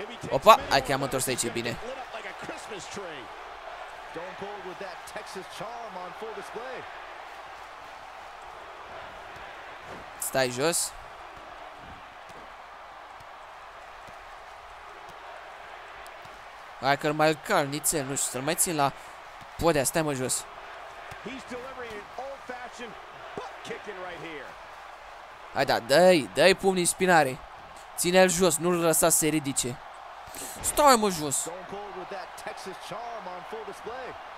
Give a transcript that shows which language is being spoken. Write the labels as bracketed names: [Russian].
[Romanian] Opa, hai că am întors aici, e bine. [English] Stone Cold with that Texas charm on full display. [Romanian] Stai jos. Hai că-l mai cal nițel, nu știu, să-l mai țin la podea, stai mă jos. [English] He's delivering an old-fashioned butt kicking right here. [Romanian] Hai da, dă-i, dă-i pumnii în spinare. Ține-l jos, nu-l lăsa să se ridice. Stai mă jos. [English] Stone Cold with that Texas charm on full display.